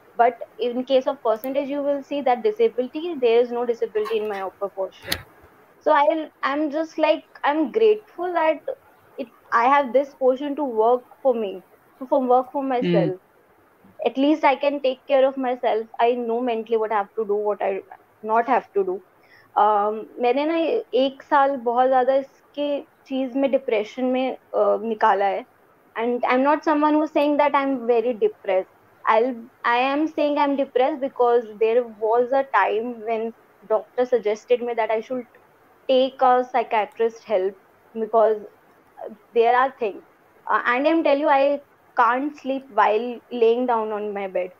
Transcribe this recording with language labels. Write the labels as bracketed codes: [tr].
[en] But in case of percentage, you will see that disability, there is no disability in my upper portion. So I'm just like, I'm grateful that I have this portion to work for me, work for myself. Mm. At least I can take care of myself. I know mentally what I have to do, what I not have to do. [hi] मैंने ना एक साल बहुत ज़्यादा इसके चीज़ में depression में निकाला है. [en] And I'm not someone who's saying that I'm very depressed. I am saying I'm depressed because there was a time when doctor suggested me that I should take a psychiatrist help because there are things. And I'm telling you, I can't sleep while laying down on my bed.